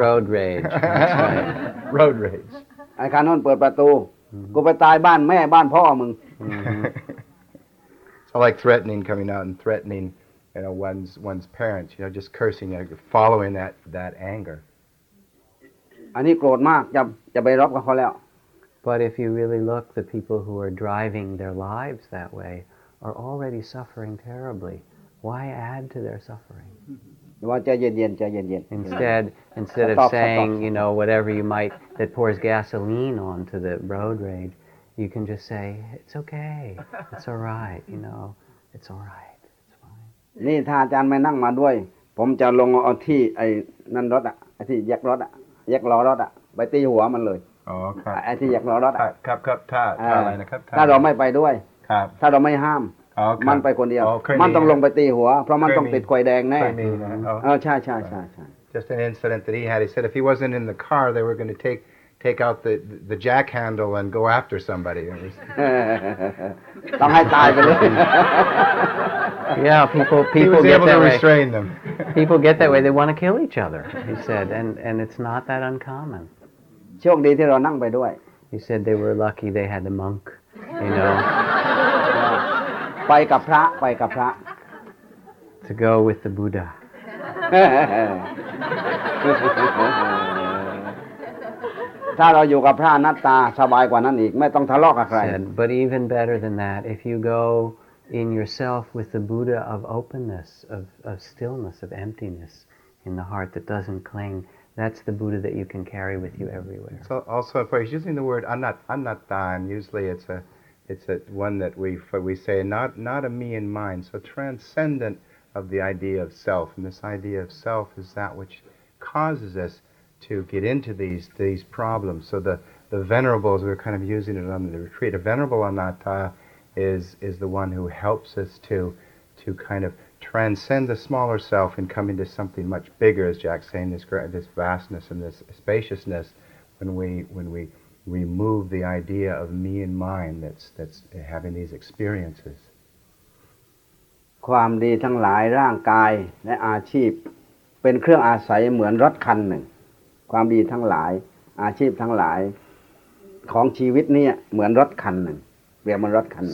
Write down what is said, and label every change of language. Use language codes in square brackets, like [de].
[en] Road rage. That's right. Road rage. I cannot open the door. [th] กูไปตายบ้านแม่บ้านพ่อมึง [en] So like threatening coming out and threatening you know one's parents you know just cursing you know, following that anger [th] อันนี้โกรธมากจะไปรบกับเขาแล้ว [en] But if you really look the people who are driving their lives that way are already suffering terribly why add to their suffering [th] ว่าใจเย็นๆใจเย็น [en] ๆ instead of saying you know whatever you might that pours gasoline onto the road rage you can just say it's okay it's all right you know it's all right it's fine [th] นี่ถ้าอาจารย์ไม่นั่งมาด้วยผมจะลงเอาที่ไอ้นั่นรถอ่ะไอ้ที่แยกรถอ่ะแยกล้อรถอ่ะไปตีหัวมันเลย อ๋อครับ ไอ้ที่แยกล้อรถอ่ะ ครับครับถ้าอะไรนะครับ ถ้าเราไม่ไปด้วย ครับ ถ้าเราไม่ห้ามมันไปคนเดียวมัน ต้องลงไปตีหัวเพราะมันต้องติดควายแดงแน่ ใช่ [en] Just an incident that he had. He said if he wasn't in the car, they were going to take out the jack handle and go after somebody. [th] ต้องให้ตายไปเลย [en] Yeah, people get that way. He was able to restrain them. People get that way. They want to kill each other. He said, and it's not that uncommon. [th] โชคดีที่เรานั่งไปด้วย [en] He said they were lucky they had the monk. You know. [th] ไปกับพระไปกับพระ [en] to go with the Buddha [th] ถ้าเราอยู่กับพระอนัตตาสบายกว่านั้นอีกไม่ต้องทะเลาะกับใคร [en] but even better than that if you go in yourself with the Buddha of openness of stillness of emptiness in the heart that doesn't cling that's the Buddha that you can carry with you everywhere so also if he's using the word anatta and usually it's a one that we say not a me and mine so transcendent of the idea of self and this idea of self is that which causes us to get into these problems so the venerables we're kind of using it on the retreat a venerable anatta is the one who helps us to kind of transcend the smaller self and come into something much bigger as Jack's saying this vastness and this spaciousness when we remove the idea of me and mine that's having these experiences [th] ความดีทั้งหลายร่างกายและอาชีพเป็นเครื่องอาศัยเหมือนรถคันหนึ่งความดีทั้งหลายอาชีพทั้งหลายของชีวิตนี้เหมือนรถคันหนึ่งเปรียบเหมือนรถคัน